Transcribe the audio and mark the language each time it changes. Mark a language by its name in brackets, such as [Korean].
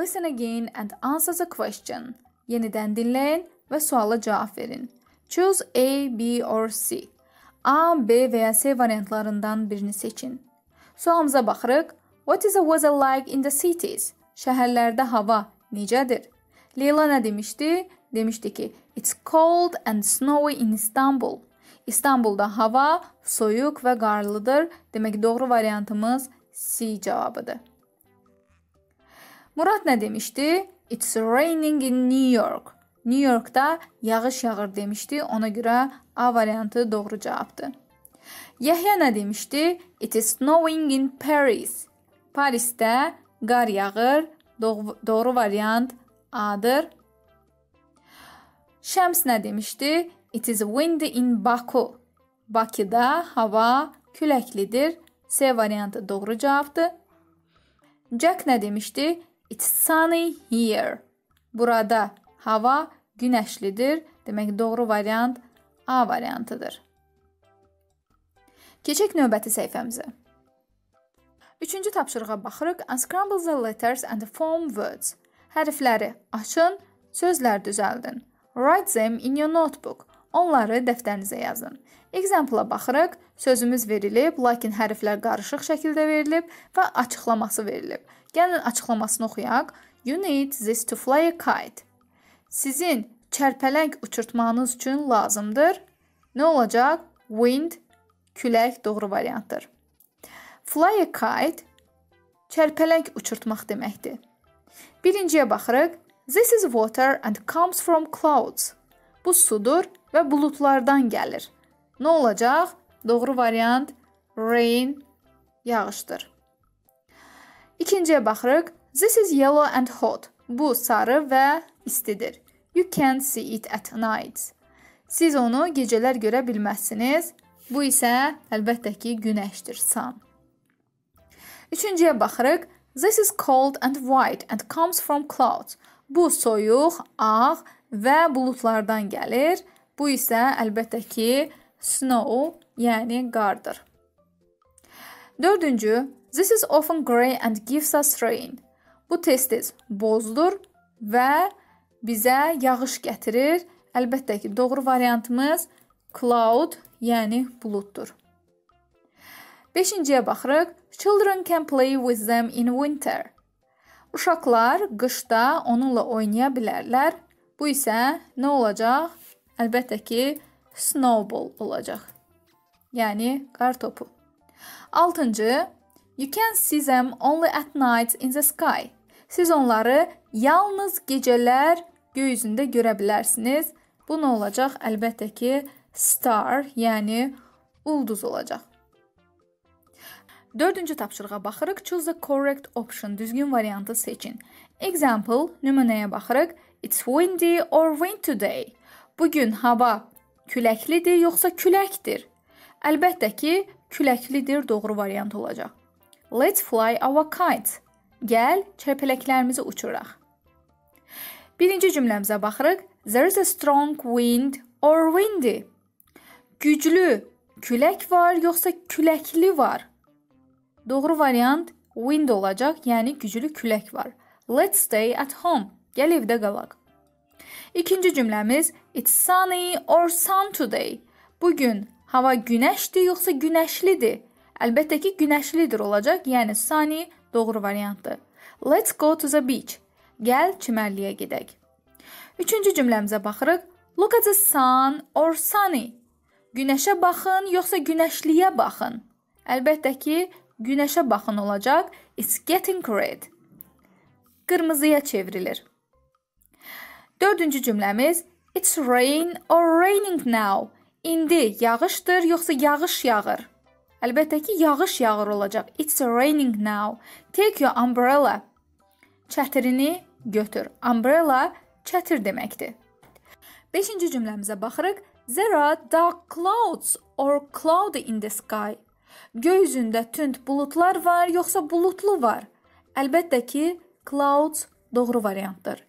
[English] Listen again and answer the question. [Azerbaijani] Yenidən dinləyin və suala cavab verin. [English] Choose A, B or C. [Azerbaijani] A, B və ya C variantlarından birini seçin. Sualımıza baxırıq. [English] What is the weather like in the cities? [Azerbaijani] Şəhərlərdə hava necədir? Leyla nə demişdi? Demişdi ki, [English] it's cold and snowy in Istanbul. [Azerbaijani] İstanbulda hava soyuq və qarlıdır. Demək, doğru variantımız C cavabıdır. Murad nə demişdi? [English] It's raining in New York. [Azerbaijani] New York'da yağış yağır demişdi. Ona görə A variantı doğru cavabdır. Yahya nə demişdi? [English] It is snowing in Paris. [Azerbaijani] Paris'də qar yağır. Doğru variant A'dır. Şems nə demişdi? [English] It is windy in Baku. [Azerbaijani] Bakıda hava küləklidir. C variantı doğru cavabdır. Jack nə demişdi? [English] It's sunny here. [Azerbaijani] Burada hava günəşlidir. Demək, doğru variant A variantıdır. Keçək növbəti səhifəmizə. Üçüncü tapşırığa baxırıq. [English] Unscramble the letters and form words. [Azerbaijani] Hərfləri açın, sözlər düzəldin. [English] Write them in your notebook. [Azerbaijani] Onları dəftərinizə yazın. Example-a baxırıq. Sözümüz verilib, lakin hərflər qarışıq şəkildə verilib və açıqlaması verilib. Gəlin açıqlamasını oxuyaq. [English] You need this to fly a kite. [Azerbaijani] Sizin çərpələng uçurtmanız üçün lazımdır. Nə olacaq? Wind, külək doğru variantdır. [English] Fly a kite, [Azerbaijani] çərpələng uçurtmaq deməkdir. Birinciyə baxırıq. [English] This is water and comes from clouds. [Azerbaijani] Bu sudur və bulutlardan gəlir. Nə olacaq? Doğru variant rain, yağışdır. İkinciyə baxırıq. [English] This is yellow and hot. [Azerbaijani] Bu sarı və istidir. [English] You can see it at night. [Azerbaijani] Siz onu gecələr görə bilməzsiniz. Bu isə əlbəttə ki, günəşdir, sun. Üçüncüyə baxırıq. [English] This is cold and white and comes from clouds. [Azerbaijani] Bu soyuq, ağ və bulutlardan gəlir. Bu isə əlbəttə ki, snow, yəni qardır. Dördüncü. [English] This is often grey and gives us rain. [Azerbaijani] Bu tez-tez bozdur və bizə yağış gətirir. Əlbəttə ki, doğru variantımız cloud, yəni buluddur. Beşinciyə baxırıq. [English] Children can play with them in winter. [Azerbaijani] Uşaqlar qışda onunla oynaya bilərlər. Bu isə nə olacaq? Əlbəttə ki, snowball olacaq. Yəni, qar topu. Altıncı. [English] You can see them only at night in the sky. [Azerbaijani] Siz onları yalnız gecələr göy üzündə görə bilərsiniz. Bu nə olacaq? Əlbəttə ki, star, yəni ulduz olacaq. Dördüncü tapşırığa baxırıq. [English] Choose the correct option. [Azerbaijani] Düzgün variantı seçin. [English] Example, [Azerbaijani] nümunəyə baxırıq. [English] It's windy or wind today. [Azerbaijani] Bugün hava küləklidir yoxsa küləkdir? Əlbəttə ki, küləklidir doğru variant olacaq. [English] Let's fly our kite. [Azerbaijani] Gəl, çərpələklərimizi uçuraq. Birinci cümləmizə baxırıq. [English] There is a strong wind or windy. [Azerbaijani] Güclü külək var, yoxsa küləkli var? Doğru variant wind olacaq, yəni güclü külək var. [English] Let's stay at home. [Azerbaijani] Gəl, evdə qalaq. İkinci cümləmiz. [English] It's sunny or sun today. [Azerbaijani] Bugün hava günəşdir, yoxsa günəşlidir? Əlbəttə ki, günəşlidir olacaq, yəni sunny doğru variantdır. [English] Let's go to the beach. [Azerbaijani] Gəl, çimərliyə gedək. Üçüncü cümləmizə baxırıq. [English] Look at the sun or sunny. [Azerbaijani] Günəşə baxın, yoxsa günəşliyə baxın. Əlbəttə ki, günəşə baxın olacaq. [English] It's getting red. [Azerbaijani] Qırmızıya çevrilir. Dördüncü cümləmiz. [English] It's rain or raining now. [Azerbaijani] İndi yağışdır, yoxsa yağış yağır. Əlbəttə ki, yağış yağır olacaq. [English] It's raining now. Take your umbrella. [Azerbaijani] Çətirini götür. Umbrella çətir deməkdir. Beşinci cümləmizə baxırıq. [English] There are dark clouds or cloudy in the sky. [Azerbaijani] Göy üzündə tünd bulutlar var, yoxsa bulutlu var? Əlbəttə ki, clouds doğru variantdır.